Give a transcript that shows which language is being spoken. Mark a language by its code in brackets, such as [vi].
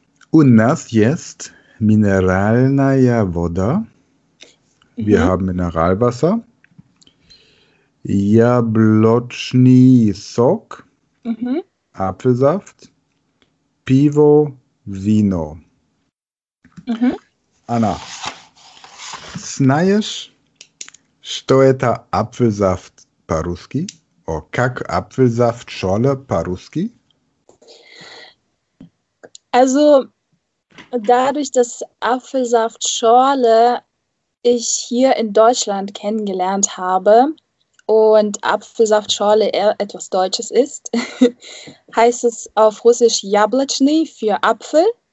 [ru] У нас есть минеральная вода. [de] Wir haben Mineralwasser. [ru] Яблочный сок, mhm. [de] Apfelsaft, Pivo, Vino. Mhm. [ru] Anna, знаешь, что это Apfelsaft по-русски? О, как Apfelsaft Schorle по-русски? [de] Also, dadurch, dass Apfelsaft Schorle ich hier in Deutschland kennengelernt habe, und Apfelsaftschorle etwas Deutsches ist, heißt es auf Russisch Jablochny für Apfel.